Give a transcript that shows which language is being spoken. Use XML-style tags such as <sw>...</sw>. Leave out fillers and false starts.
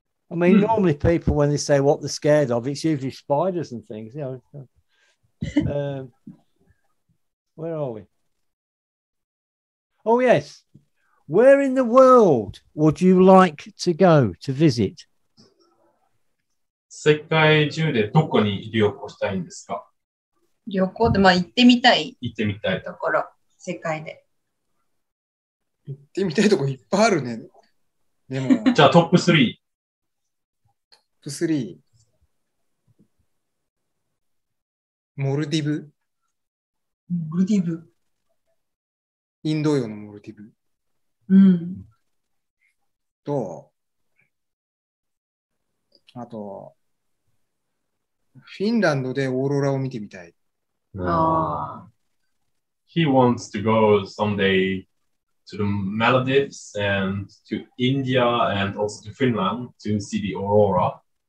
<en>I mean, normally people when they say what they're scared of, it's usually spiders and things. You know, where are we? Oh yes, where in the world would you like to go to visit?</en> <ja>世界中でどこに旅行したいんですか？旅行で、まあ、行ってみたい。行ってみたいところ、世界で。行ってみたいとこいっぱいあるね。でもじゃあトップ3。トップ3。モルディブ。モルディブ。インド洋のモルディブ。うん。と、あと、フィンランドでオーロラを見てみたい。</ja> <en>He wants to go someday to the Maldives and to India and also to Finland to see the aurora.</en>